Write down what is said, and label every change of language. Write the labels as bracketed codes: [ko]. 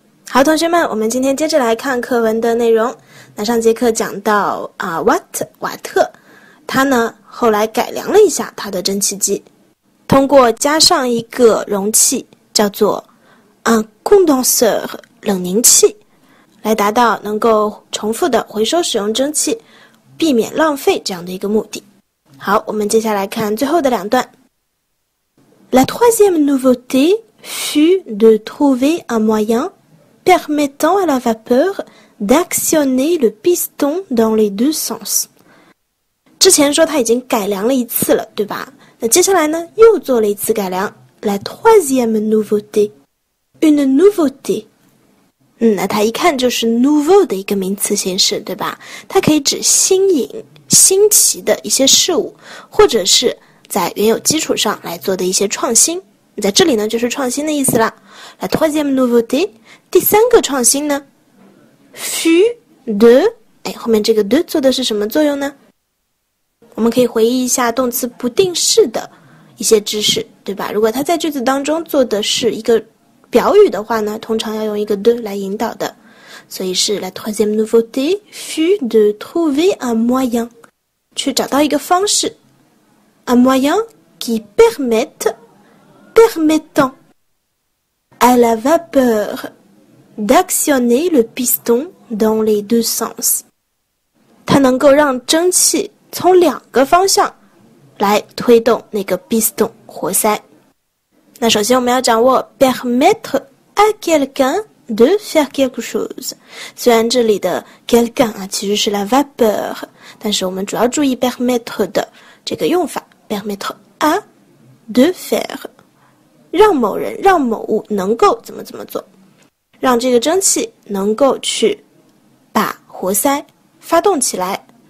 [zh] 好，同学们，我们今天接着来看课文的内容。那上节课讲到啊 ，Watt 瓦特，他呢后来改良了一下他的蒸汽机，通过加上一个容器叫做 un condenseur 冷凝器，来达到能够重复的回收使用蒸汽，避免浪费这样的一个目的。好，我们接下来看最后的两段。 [fr] La troisième nouveauté fut de trouver un moyen permettant à la vapeur d'actionner le piston dans les deux sens. [zh] 之前说他已经改良了一次了，对吧？那接下来呢，又做了一次改良。 [fr] La troisième nouveauté, une nouveauté. [zh] 那它一看就是 nouveau 的一个名词形式，对吧？它可以指新颖、新奇的一些事物，或者是在原有基础上来做的一些创新。在这里呢，就是创新的意思了。 [fr] La troisième nouveauté, [zh] 第三个创新呢 ， [fr] fut de， [zh] 哎，后面这个 de 做的是什么作用呢？我们可以回忆一下动词不定式的一些知识，对吧？如果它在句子当中做的是一个表语的话呢，通常要用一个 de 来引导的，所以是 [fr] la troisième nouveauté fut de trouver un moyen， [zh] 去找到一个方式 ， [fr] un moyen qui permette。 Permettant à la vapeur d'actionner le piston dans les deux sens. [zh] 它能够让蒸汽从两个方向来推动那个 piston 活塞。那首先我们要掌握 [fr] permettre à quelqu'un de faire quelque chose. [zh] 虽然这里的 quelqu'un 啊其实是 la vapeur， 但是我们主要注意 permettre 的这个用法 [fr] permettre à de faire。 [zh] 让某人让某物能够怎么怎么做，让这个蒸汽能够去把活塞发动起来。